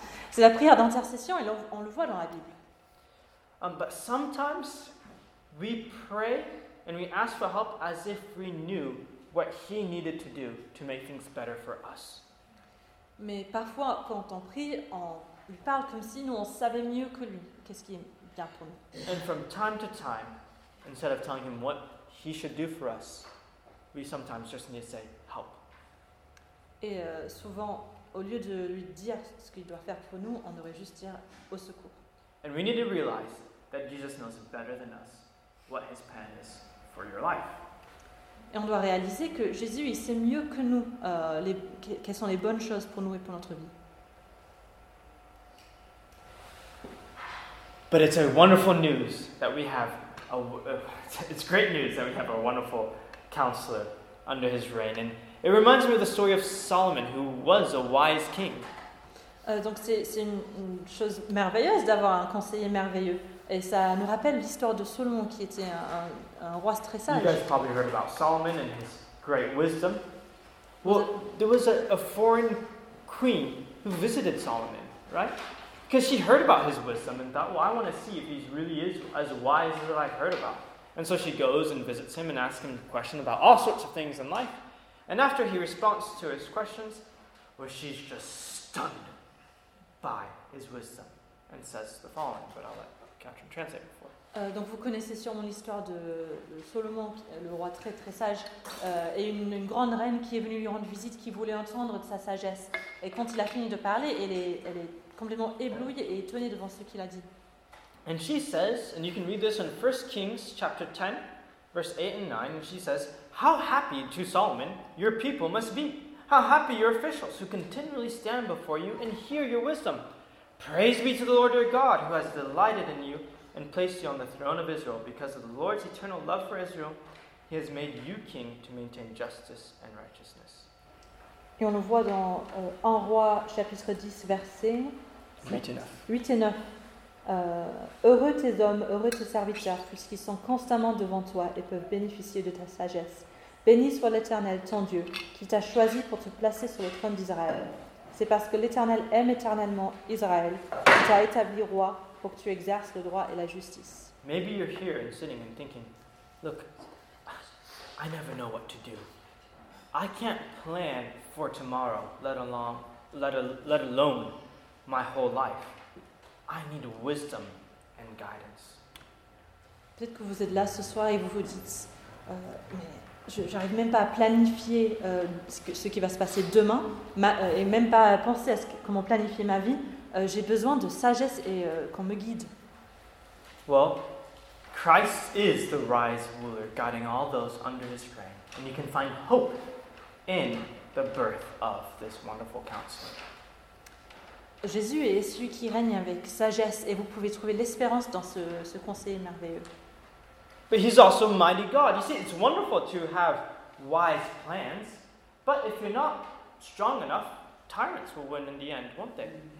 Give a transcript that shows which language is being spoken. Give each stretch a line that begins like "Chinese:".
French: C'est la prière d'intercession et on le voit dans la Bible.
English: But sometimes we pray and we ask for help as if we knew what he needed to do to make things better for us.
French: Mais parfois, quand on prie, on lui parle comme si nous on savait mieux que lui qu'est-ce qui est bien pour nous.
English: And from time to time, instead of telling him what he should do for us, we sometimes just need to say help.
French: Et souvent, au lieu de lui dire ce qu'il doit faire pour nous, on devrait juste dire au secours.
English: And we need to realize that Jesus knows better than us what his plan is for your life.
French: Et on doit réaliser que Jésus, il sait mieux que nous quelles sont les bonnes choses pour nous et pour notre vie.
English: But it's a wonderful news that we have it's great news that we have a wonderful counselor under his reign. And it reminds me of the story of Solomon, who was a wise king.
French: Donc c'est une chose merveilleuse d'avoir un conseiller merveilleux. Et ça nous rappelle l'histoire de Solomon qui était un roi très sage.
English: You guys probably heard about Solomon and his great wisdom. Well, there was a foreign queen who visited Solomon, right? Because she heard about his wisdom and thought, well, I want to see if he really is as wise as I've heard about. And so she goes and visits him and asks him questions about all sorts of things in life. And after he responds to his questions, well, she's just stunned by his wisdom and says the following, but I'll let Catherine translate it for you.
French: Donc vous connaissez sûrement l'histoire de Solomon, le roi très très sage, et une grande reine qui est venue lui rendre visite, qui voulait entendre de sa sagesse. Et quand il a fini de parler, elle est complètement éblouie et étonnée devant ce qu'il a dit.
English: And she says, and you can read this in 1 Kings chapter 10, verse 8 and 9, and she says, how happy to Solomon your people must be. How happy your officials who continually stand before you and hear your wisdom. Praise be to the Lord your God who has delighted in you and placed you on the throne of Israel. Because of the Lord's eternal love for Israel, he has made you king to maintain justice and righteousness.
French: Et on le voit dans 1 Roi chapitre 10 verset 8 et 9. Heureux tes hommes, heureux tes serviteurs, puisqu'ils sont constamment devant toi et peuvent bénéficier de ta sagesse. Béni soit l'Éternel, ton Dieu, qui t'a choisi pour te placer sur le trône d'Israël. C'est parce que l'Éternel aime éternellement Israël qu'il t'a établi roi pour que tu exerces le droit et la justice.
English: Maybe you're here and sitting and thinking, look, I never know what to do. I can't plan for tomorrow, let alone my whole life. I need wisdom and guidance.
French: Peut-être que vous êtes là ce soir et vous vous dites, j'arrive même pas à planifier ce qui va se passer demain, et même pas à penser à comment planifier ma vie. J'ai besoin de sagesse et qu'on me guide.
English: Well, Christ is the wise ruler guiding all those under his reign. And you can find hope in the birth of this wonderful counselor.
French: Jésus est celui qui règne avec sagesse et vous pouvez trouver l'espérance dans ce conseiller merveilleux.
English: But he's also mighty God. You see, it's wonderful to have wise plans, but if you're not strong enough, tyrants will win in the end, won't they?